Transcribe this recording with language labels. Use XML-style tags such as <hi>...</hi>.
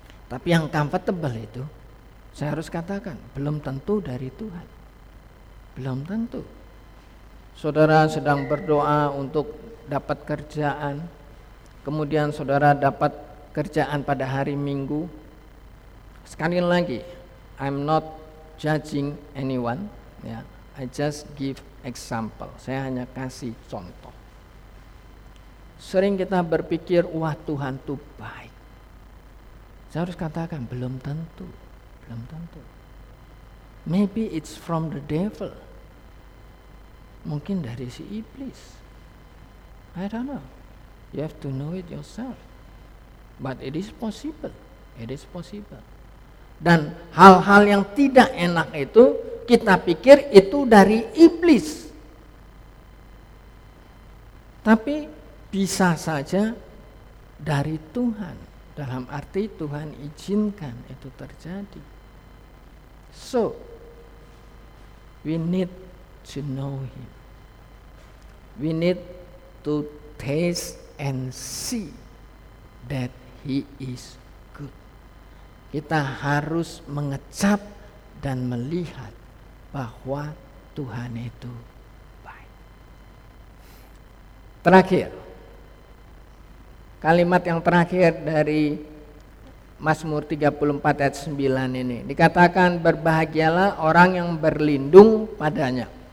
<id>Tapi yang</id> <en>comfortable</en> <id>itu, saya harus katakan, belum tentu dari Tuhan. Belum tentu. Saudara sedang berdoa untuk dapat kerjaan, kemudian saudara dapat kerjaan pada hari Minggu. Sekali lagi,</id> <en>I'm not judging anyone,</en> <id>ya.</id> <en>I just give example.</en> <id>Saya hanya kasih contoh. Sering kita berpikir, wah Tuhan tuh baik. Saya harus katakan, belum tentu. Belum tentu.</id> <en>Maybe it's from the devil.</en> <id>Mungkin dari si iblis.</id> <en>I don't know. You have to know it yourself. But it is possible. It is possible.</en> <id>Dan hal-hal yang tidak enak itu, kita pikir itu dari iblis. Tapi bisa saja dari Tuhan. Dalam arti Tuhan izinkan itu terjadi.</id> <en>So, we need to know Him. We need to taste and see that He is good.</en> <id>Kita harus mengecap dan melihat bahwa Tuhan itu baik. Terakhir, kalimat yang terakhir dari Mazmur 34 ayat 9 ini dikatakan, berbahagialah orang yang berlindung padanya.</id>